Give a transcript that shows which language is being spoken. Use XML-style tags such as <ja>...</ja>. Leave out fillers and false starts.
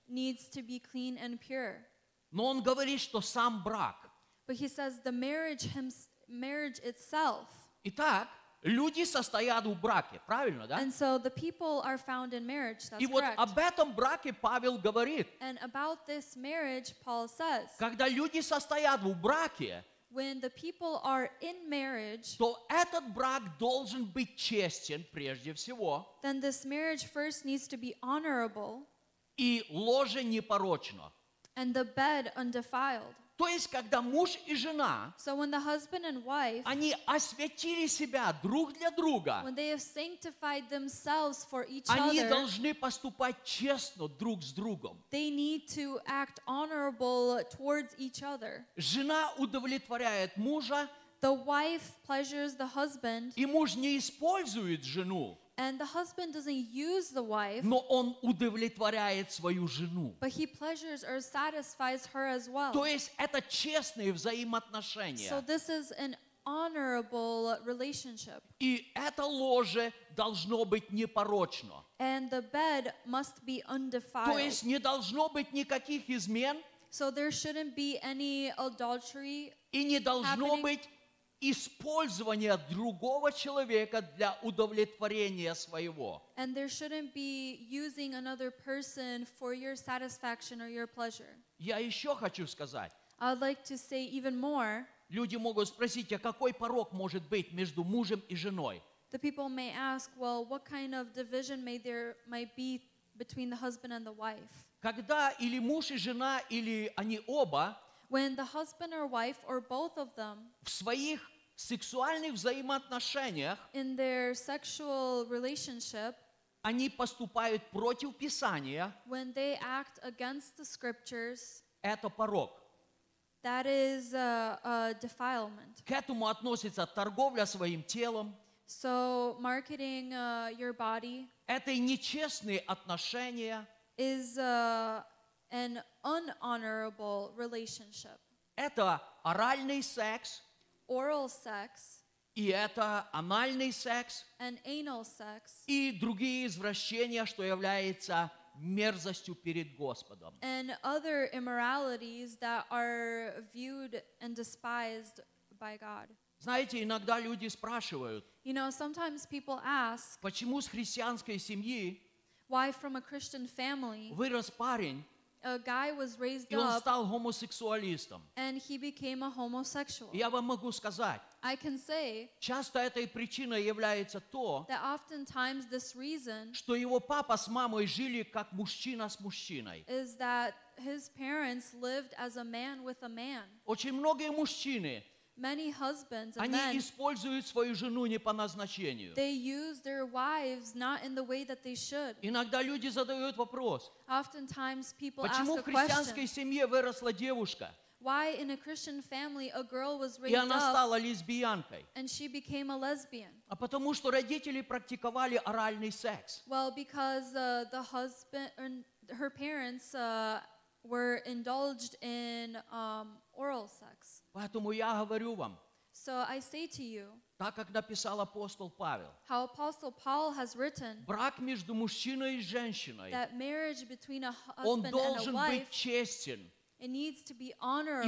<en>Needs to be clean and pure.</en> <ru>Но он говорит, что сам брак.</ru> <en>But he says the marriage, marriage itself.</en> <ru>Итак, люди состоят в браке, правильно, да?</ru> <en>And so the people are found in marriage, that's</en> <ru>И вот</ru> <en>correct.</en> <ru>Об этом браке Павел говорит.</ru> <en>And about this marriage, Paul says.</en> <ru>Когда люди состоят в браке,</ru> <en>When the people are in marriage,</en> <ru>то этот брак должен быть честен прежде всего.</ru> <en>Then this marriage first needs to be honorable.</en> <ru>И ложе непорочно.</ru> <en>And the bed undefiled.</en> <ru>То есть, когда муж и жена,</ru> <en>so when the husband and wife,</en> <ru>они освятили себя друг для друга,</ru> <en>when they have sanctified themselves for each</en> <ru>они</ru> <en>other,</en> <ru>должны поступать честно друг с другом.</ru> <en>They need to act honorable towards each other.</en> <ru>Жена удовлетворяет мужа,</ru> <en>the wife pleasures the husband,</en> <ru>и муж не использует жену,</ru> <en>and the husband doesn't use the wife,</en> <ru>но он удовлетворяет свою жену.</ru> <en>But he pleasures or satisfies her as well.</en> <ru>То есть это честные взаимоотношения.</ru> <en>So this is an honorable relationship.</en> <ru>И это ложе должно быть непорочно.</ru> <en>And the bed must be undefiled.</en> <ru>То есть не должно быть никаких измен.</ru> <en>So there shouldn't be any adultery.</en> <ru>И не должно быть использование другого человека для удовлетворения своего.</ru> <en>And there shouldn't be using another person for your satisfaction or your pleasure.</en> <ru>Я еще хочу сказать.</ru> <en>I would like to say even more.</en> <ru>Люди могут спросить, а какой порок может быть между мужем и женой?</ru> <en>The people may ask, well, what kind of division may there might be between the husband and the wife?</en> <ru>Когда или муж и жена, или они оба,</ru> <en>When the husband or wife or both of them</en> <ru>в своих сексуальных взаимоотношениях</ru> <en>in their sexual relationship</en> <ru>они поступают против Писания</ru> <en>when they act against the scriptures</en> <ru>это порок</ru> <en>that is a defilement</en> <ru>к этому относится торговля своим телом</ru> <en>so marketing your body</en> <ru>это нечестные отношения</ru> <en>is an unhonorable relationship.</en> <ru>Это оральный секс.</ru> <en>Oral sex.</en> <ru>И это анальный секс.</ru> <en>And anal sex.</en> <ru>И другие извращения, что является мерзостью перед Господом.</ru> <en>And other immoralities that are viewed and despised by God.</en> <ru>Знаете, иногда люди спрашивают.</ru> <en>You know, sometimes people ask.</en> <ru>Почему с христианской семьи?</ru> <en>Why from a Christian family?</en> <ru>Вырос парень.</ru> <en>A guy was raised</en> <ru>И он стал гомосексуалистом.</ru> <en>And he became a homosexual.</en> <ru>Я вам могу сказать,</ru> <en>I can say,</en> <ru>часто этой причиной является то,</ru> <en>that oftentimes this reason,</en> <ru>что его папа с мамой жили как мужчина с мужчиной.</ru> <en>Is that his parents lived as a man with a man.</en> <ru>Очень многие мужчины,</ru> <en>many husbands,</en> <ru>они</ru> <en>men,</en> <ru>используют свою жену не по назначению.</ru> <en>They use their wives not in the way that they should.</en> <ru>Иногда люди задают вопрос.</ru> <en>Oftentimes people</en> <ru>Почему</ru> <en>ask</en> <ru>в христианской</ru> <en>question,</en> <ru>семье выросла девушка?</ru> <en>Why in a Christian family a girl was raised</en> <ru>И она</ru> <en>up,</en> <ru>стала лесбиянкой.</ru> <en>And she became a lesbian.</en> <ru>А потому что родители практиковали оральный секс.</ru> <en>Well, because the husband and her parents were indulged in oral sex.</en> <ru>Поэтому я говорю вам.</ru> <en>So I say to you.</en> <ru>Так как написал апостол Павел.</ru> <en>How Apostle Paul has written.</en> <ru>Брак между мужчиной и женщиной.</ru> <en>That marriage between a husband and a wife.</en> <ru>Он должен быть честен.</ru> <en>It needs to be honorable.</en>